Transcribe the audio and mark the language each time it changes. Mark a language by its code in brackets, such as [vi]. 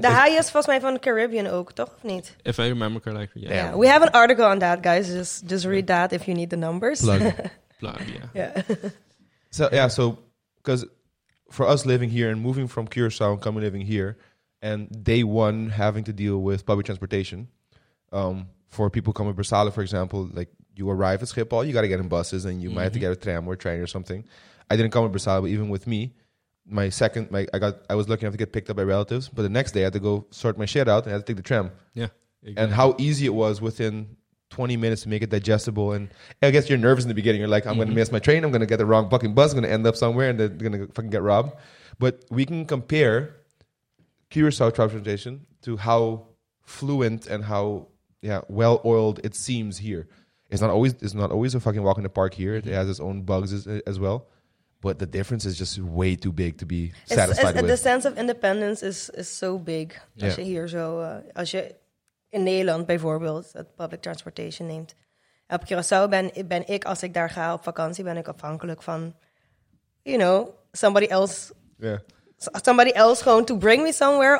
[en] the highest [nl] volgens mij van the Caribbean ook, toch of niet? [en] If I remember correctly, yeah. Yeah. We have an article on that, guys. Just read that if you need the numbers. Plug, yeah. So, because for us living here and moving from Curaçao and coming living here, and day one having to deal with public transportation, for people coming to Bersalen, for example, like you arrive at Schiphol, you got to get in buses, and you might have to get a tram or train or something. I didn't come to Bersalen, but even with me, my second, my, I was lucky enough to get picked up by relatives, but the next day I had to go sort my shit out and I had to take the tram. Yeah. Exactly. And how easy it was within 20 minutes to make it digestible. And I guess you're nervous in the beginning. You're like, I'm going to miss my train. I'm going to get the wrong fucking bus. I'm going to end up somewhere and then I'm going to fucking get robbed. But we can compare Curacao transportation to how fluent and how well-oiled it seems here. It's not always a fucking walk in the park here. It has its own bugs as well. But the difference is just way too big to be satisfied with. The sense of independence is so big. Yeah. [nl] Als je hier zo, als je in Nederland bijvoorbeeld het public transportation neemt. Op Curaçao ben ik, als ik daar ga op vakantie, ben ik afhankelijk van, [en] you know, somebody else. Yeah. Somebody else gewoon to bring me somewhere.